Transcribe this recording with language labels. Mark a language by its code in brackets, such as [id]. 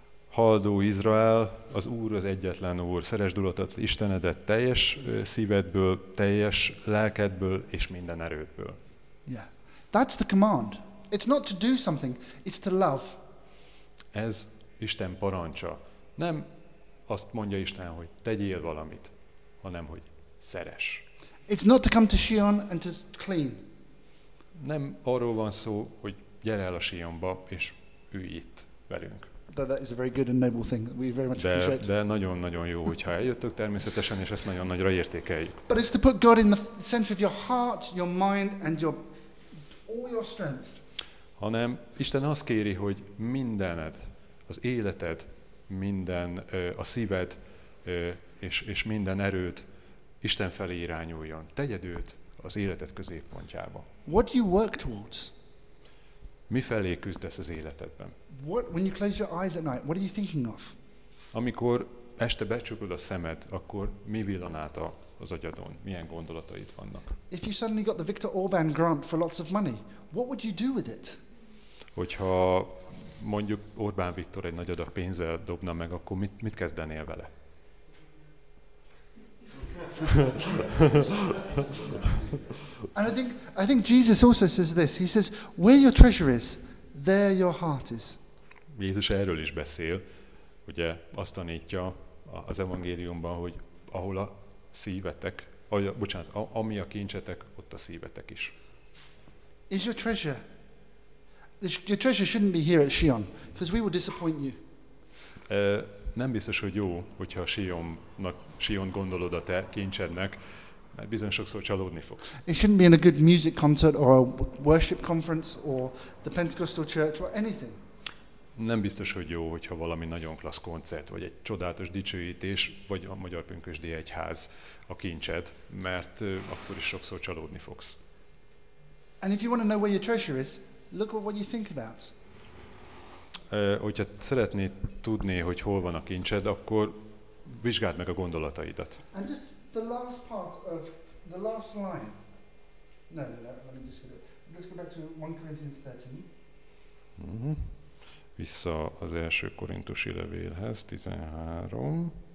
[hu] Halld, ó Izrael, az Úr az egyetlen Úr, szeresd Urat, Istenedet teljes szívedből, teljes lelkedből és minden erődből. [en] Yeah. That's the command. It's not to do something, it's to love. [hu] Ez Isten parancsa. Nem azt mondja Isten, hogy tegyél valamit, hanem hogy szeress. [en] It's not to come to Sion and to clean. [hu] Nem arról van szó, hogy gyere el a Sionba, és ülj itt velünk. [en] That is a very good and noble thing. We very much appreciate. [hu] De nagyon-nagyon jó, hogyha eljöttök természetesen, és ezt nagyon nagyra értékeljük. [en] But it's to put God in the center of your heart, your mind, and your all your strength. [hu] Hanem Isten azt kéri, hogy mindened, az életed, minden a szíved és minden erőt Isten felé irányuljon. Tegyed őt az életed középpontjába. [en] What do you work towards? [hu] Mifelé küzdesz az életedben? [en] What, when you close your eyes at night, what are you thinking of? [hu] Amikor este becsukod a szemed, akkor mi villan át az agyadon? Milyen gondolataid vannak? [en] If you suddenly got the Viktor Orbán grant for lots of money, what would you do with it? [hu] Hogyha mondjuk Orbán Viktor egy nagy adag pénzzel dobna meg, akkor mit kezdenél vele? [en] And I think Jesus also says this. He says, where your treasure is, there your heart is. [hu] Jézus erről is beszél, ugye azt tanítja az evangéliumban, hogy ahol a szívetek, ami a kincsetek, ott a szívetek is. [en] Is your treasure? Your treasure shouldn't be here at Sion, because we will disappoint you. [hu] Nem biztos, hogy jó, hogyha Sion gondolod a te kincsednek, mert bizony sokszor csalódni fogsz. [en] It shouldn't be in a good music concert or a worship conference or the Pentecostal church or anything. [hu] Nem biztos, hogy jó, hogyha valami nagyon klassz koncert, vagy egy csodálatos dicsőítés, vagy a Magyar Pünkösdi Egyház a kincsed, mert akkor is sokszor csalódni fogsz. [en] And if you want to know where your treasure is, look at what you think about. [hu] Hogyha szeretnéd tudni, hogy hol van a kincsed, akkor vizsgáld meg a gondolataidat. [en] And just the last part of the last line. No, let me just get it. Let's go back to 1 Corinthians 13. Mm-hmm. [hu] Vissza az első korintusi levélhez, 13.